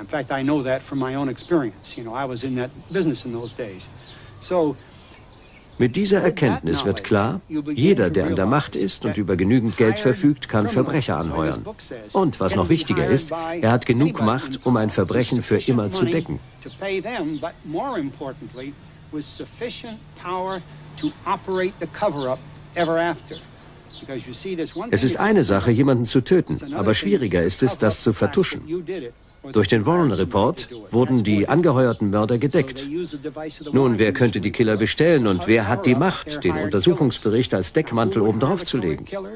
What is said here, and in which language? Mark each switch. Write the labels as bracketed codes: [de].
[en] In fact, I know that from my own experience. You know, I was in that business in those days. [de] So, mit dieser Erkenntnis wird klar, jeder, der an der Macht ist und über genügend Geld verfügt, kann Verbrecher anheuern. Und was noch wichtiger ist, er hat genug Macht, um ein Verbrechen für immer zu decken. [en] But more importantly, with sufficient power to operate the cover-up ever after. [de] Es ist eine Sache, jemanden zu töten, aber schwieriger ist es, das zu vertuschen. Durch den Warren Report wurden die angeheuerten Mörder gedeckt. Nun, wer könnte die Killer bestellen und wer hat die Macht, den Untersuchungsbericht als Deckmantel obendrauf zu legen?